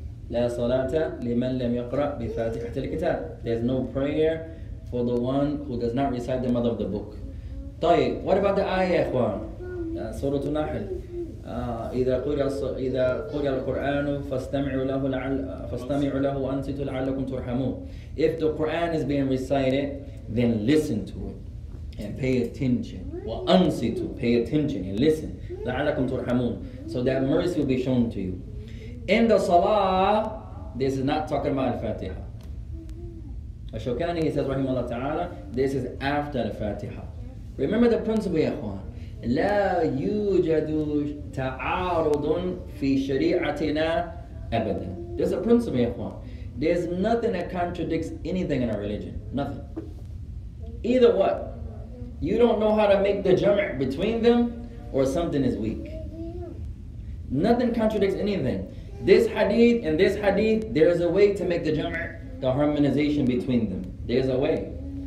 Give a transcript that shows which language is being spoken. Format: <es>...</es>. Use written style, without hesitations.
<ar>لا صلاة لمن لم يقرأ بفاتحة الكتاب.</ar> <en>There's no prayer for the one who does not recite the mother of the book. طيب, what about the ayah, إخوان? سورة النحل.</en> <ar>إذا قرأ القرآن فاستمعوا له وأنصتوا لعلكم ترحمون.</ar> <en>If the Quran is being recited, then listen to it and pay attention.</en> <ar>وأنصتوا,</ar> <en>pay attention and listen.</en> <ar>لعلكم ترحمون.</ar> <en>So that mercy will be shown to you. In the Salah, this is not talking about Al-Fatiha. Ash-Shawkani, he says, Rahimahullah Ta'ala, this is after Al-Fatiha. Remember the principle, ya Ikhwan.</en> <ar>لا يوجد تعارض في شريعتنا أبدا.</ar> <en>There's a principle, ya Ikhwan. There's nothing that contradicts anything in our religion. Nothing. Either what? You don't know how to make the jam' between them, or something is weak. Nothing contradicts anything. This hadith and this hadith, there's a way to make the jam', the harmonization between them. There's a way.</en>